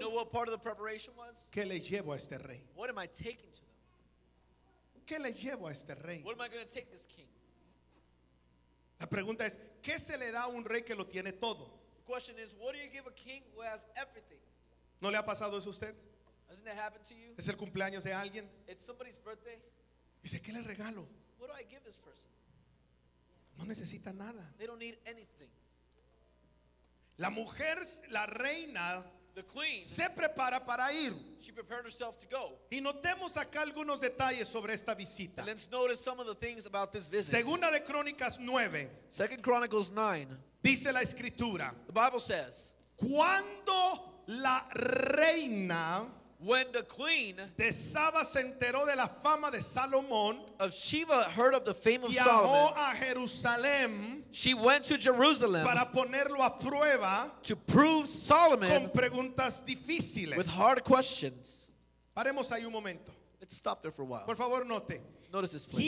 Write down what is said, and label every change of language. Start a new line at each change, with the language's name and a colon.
English: You know what part of the preparation was?
Spanish: ¿Qué le llevo a este rey?
English: What am I taking to them?
Spanish: ¿Qué le llevo a este rey?
English: What am I going to take this king?
Spanish: La pregunta es, ¿qué se le da a un rey que lo tiene todo?
English: The question is, what do you give a king who has everything?
Spanish: ¿No le ha pasado eso a usted?
English: Hasn't that happened to you?
Spanish: ¿Es el cumpleaños de alguien?
English: It's somebody's birthday.
Spanish: Dice, ¿qué le regalo?
English: What do I give this person?
Spanish: No necesita nada.
English: They don't need anything.
Spanish: La mujer, la reina,
English: the queen,
Spanish: se prepara para ir.
English: She prepared herself to go.
Spanish: Y notemos acá algunos detalles sobre esta visita.
English: And let's notice some of the things about this visit.
Spanish: Segunda de Crónicas 9.
English: Second Chronicles 9.
Spanish: Dice la escritura.
English: The Bible says,
Spanish: cuando la reina,
English: when the queen,
Spanish: de Saba se enteró de la fama de Salomón,
English: of Sheba heard of the fame of Solomon,
Spanish: llamó a Jerusalén.
English: She went to Jerusalem
Spanish: para ponerlo a prueba,
English: to prove Solomon,
Spanish: con preguntas difíciles,
English: with hard questions.
Spanish: Paremos ahí un momento.
English: Let's stop there for a while.
Spanish: Por favor, note.
English: Notice this, please.